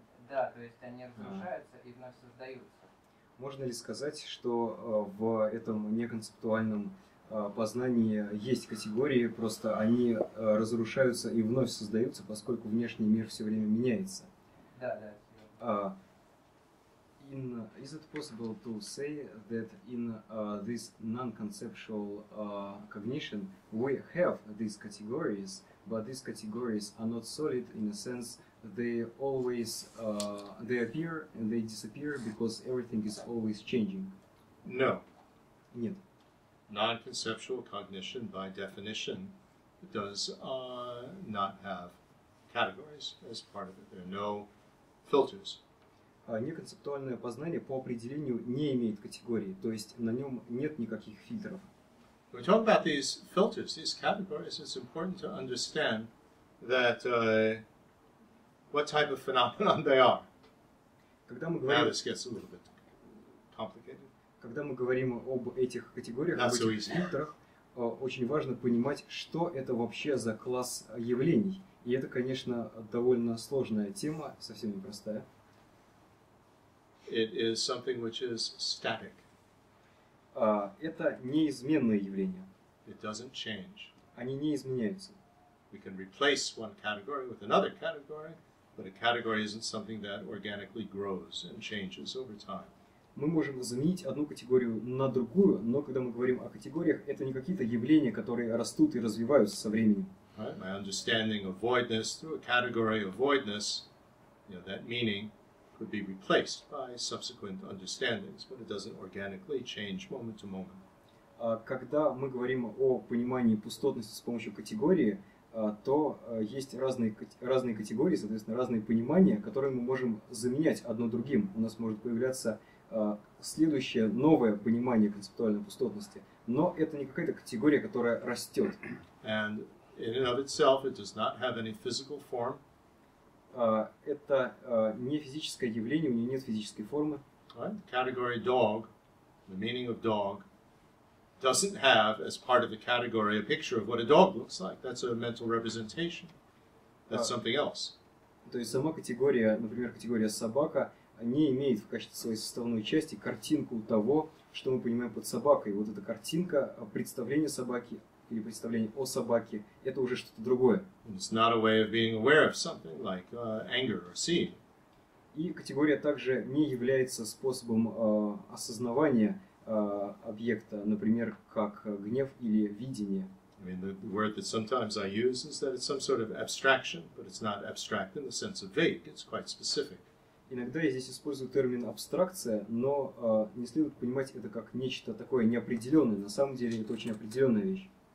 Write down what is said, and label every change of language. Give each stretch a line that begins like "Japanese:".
Russian: Да, то есть они разрушаются и вновь создаются. Можно ли сказать, что в этом неконцептуальном познание есть категории, просто они разрушаются и вновь создаются, поскольку внешний мир все время меняется. Да, да.
English: Is it possible to say that in this non-conceptual cognition we have these categories, but these categories are not solid in a sense they always they appear and they disappear because everything is always changing? No.
Russian: Нет.
English: Non-conceptual cognition, by definition, does not have categories as part of it. There are no filters.
Russian: Неконцептуальное познание по определению не имеет категории, то есть на нем нет никаких фильтров.
English: When we talk about these filters, these categories, it's important to understand that what type of phenomenon they are.
Russian: Когда мы говорим...
English: Now this gets a little bit complicated.
Russian: когда мы говорим об этих категориях, об этих инструкторах, очень важно понимать, что это вообще за класс явлений. И это, конечно, довольно сложная тема, совсем непростая.
English: It is something which is static.
Russian: Это неизменные явления.
English: It doesn't change.
Russian: Они не изменяются.
English: We can replace one category with another category, but a category isn't something that organically grows and changes over time.
Russian: Мы можем заменить одну категорию на другую, но когда мы говорим о категориях, это не какие-то явления, которые растут и развиваются со временем.
English: Right? My understanding of voidness through a category of voidness, you know, that meaning could be replaced by subsequent understandings, but it doesn't organically change moment to moment.
Russian: Когда мы говорим о понимании пустотности с помощью категории, то есть разные категории, соответственно, разные понимания, которые мы можем заменять одно другим. У нас может появляться следующее новое понимание концептуальной пустотности, но это не какая-то категория, которая растет.
English: And in and of itself, it does not have any physical form.
Russian: Это не физическое явление, у нее нет физической формы.
English: Right? Category dog, the meaning of dog, doesn't have as part of the category a picture of what a dog looks like. That's a mental representation. That's something else.
Russian: То есть сама категория, например, категория собака, не имеет в качестве своей составной части картинку того, что мы понимаем под собакой. Вот эта картинка, представление собаки или представление о собаке, это уже что-то другое.
English: It's not a way of being aware of something like anger or seeing.
Russian: И категория также не является способом осознавания объекта, например, как гнев или видение.
English: I mean, the word that sometimes I use is that it's some sort of abstraction, but it's not abstract in the sense of vague, it's quite specific.
Russian: Иногда я здесь использую термин абстракция, но не следует понимать это как нечто такое неопределенное. На самом деле это очень определенная вещь.